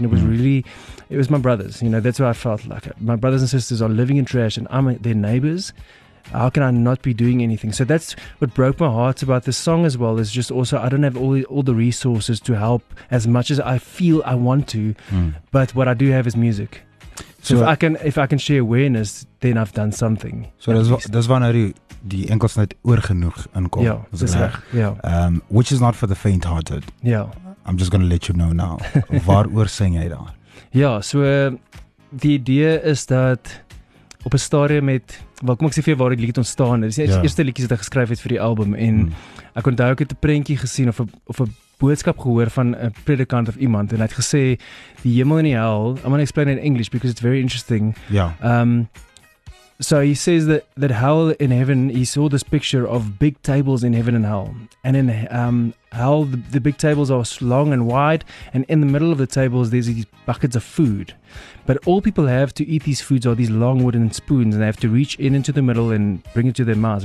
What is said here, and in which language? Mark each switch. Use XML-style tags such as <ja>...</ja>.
<en>And it was it was my brothers, you know, that's what I felt like. My brothers and sisters are living in trash and I'm their neighbors. How can I not be doing anything? So that's what broke my heart about this song as well. Is just also, I don't have all the resources to help as much as I feel I want to, but what I do have is music. So if I can share awareness, then I've done something.</en> <af>So dis wanneer die enkels net oor genoeg inkom. Ja, dis reg. Ja.</af> <en>Which is not for the faint hearted. Yeah. I'm just going to let you know now.</en> <af>Waaroor sing jy daar? Ja, so die idee is dat op 'n stadium met, wel kom ek sê vir jou waar die liedjie ontstaan het, dit is die eerste liedjie wat ek geskryf het vir die album, en ek onthou ek het 'n prentjie gesien, of 'n boodskap gehoor van 'n predikant of iemand, en hy het gesê, die hemel en die hel,</af> <en>I'm gonna explain it in English, because it's very interesting. So he says that hell in heaven, he saw this picture of big tables in heaven and hell. And in hell, the big tables are long and wide. And in the middle of the tables, there's these buckets of food. But all people have to eat these foods are these long wooden spoons. And they have to reach in into the middle and bring it to their mouths.</en>